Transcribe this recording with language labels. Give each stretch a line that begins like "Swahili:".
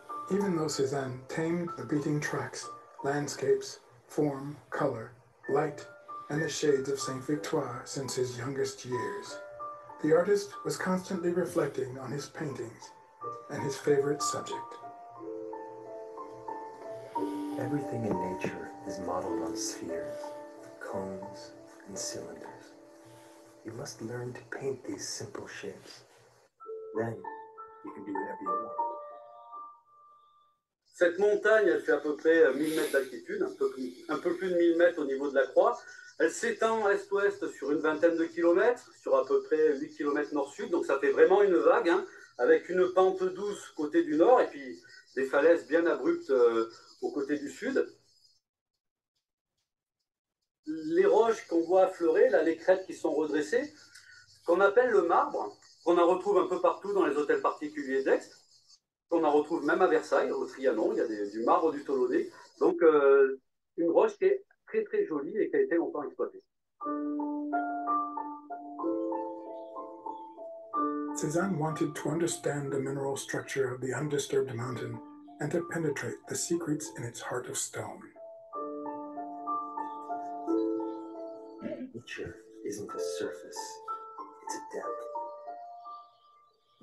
English: Even though Cézanne tamed the beating tracks, landscapes, form, color, light, and the shades of Saint-Victoire since his youngest years, the artist was constantly reflecting on his paintings and his favorite subject. Everything in nature is modeled on spheres, cones, and cylinders. You must learn to paint these simple shapes. Then you can do whatever you want.
French: Cette montagne, elle fait à peu près 1000 mètres d'altitude, un peu plus de 1000 mètres au niveau de la croix. Elle s'étend est-ouest sur une vingtaine de kilomètres, sur à peu près 8 kilomètres nord-sud. Donc ça fait vraiment une vague, hein, avec une pente douce côté du nord et puis des falaises bien abruptes au côté du sud. Les roches qu'on voit affleurer, là, les crêtes qui sont redressées, qu'on appelle le marbre, qu'on en retrouve un peu partout dans les hôtels particuliers d'Aix, On en retrouve même à Versailles, au Trianon, il y a du marbre du Toulonnais. Donc, une roche qui est très très jolie et qui a été longtemps exploitée.
English: Cézanne wanted to understand the mineral structure of the undisturbed mountain and to penetrate the secrets in its heart of stone. Nature isn't a surface, it's a depth.